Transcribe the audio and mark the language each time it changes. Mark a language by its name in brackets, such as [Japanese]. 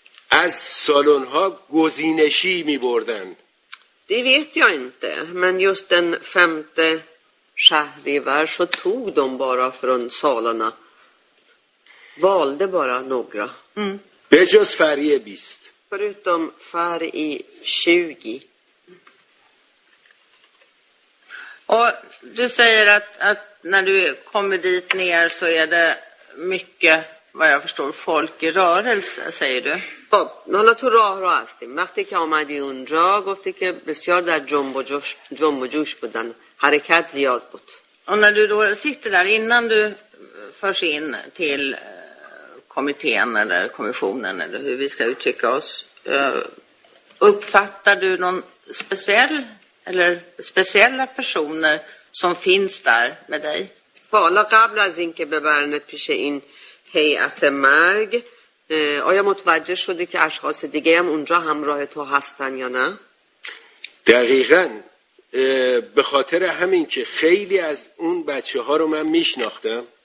[Persian] از سالن ها گزینشی می بردن. [Swedish] Det vet jag inte, men just den femte Shahrivar så tog de bara från salarna. Valde bara några. [Persian] Be jos Farie 20. [Swedish] Förutom Farie 20. Och du säger att när du kommer dit ner så är det mycket, vad jag förstår, folk i rörelse, säger du. [Persian] حالا تو راه را هستیم. وقتی که آمدی اونجا گفتی که بسیار در جنب و جوش بودن. حرکت زیاد بود. [Swedish] و när du då sitter där innan du förs in till kommittén eller kommissionen eller hur vi ska uttrycka oss, uppfattar du någon speciell eller speciella personer som finns där med dig? [Persian] حالا قبل از اینکه ببرنت پیش این هیئت مرگ، آیا متوجه شدی که اشخاص دیگه هم اونجا همراه تو هستن یا نه؟ دقیقاً به خاطر همین که خیلی از اون بچه‌ها رو من میشناختم.